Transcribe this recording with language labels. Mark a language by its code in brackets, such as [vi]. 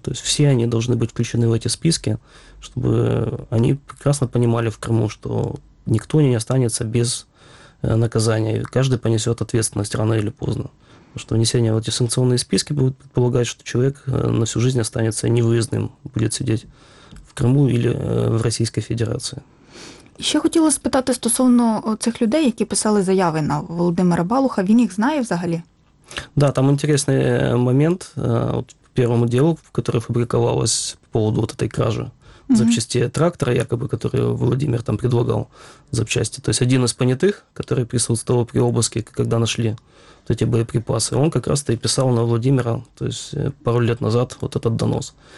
[ru] То есть все они должны быть включены в эти списки, чтобы они прекрасно понимали в Крыму, что никто не останется без наказания, и каждый понесет ответственность рано или поздно. Потому что внесение в эти санкционные списки будет предполагать, что человек на всю жизнь останется невыездным, будет сидеть Криму или в [uk] Російській Федерації. Ще хотіла спитати стосовно цих людей, які писали заяви на Володимира Балуха. Він їх знає взагалі? [ru] Да, там интересный момент. От в первому делу, в которой фабриковалось по поводу вот этой кражи запчасти трактора, якобы, который Володимир там предлагал запчасти. То есть один из понятых, который присутствовал при обыске, когда нашли вот эти боеприпасы, он как раз-то и писал на Владимира, то есть пару лет назад, вот этот донос.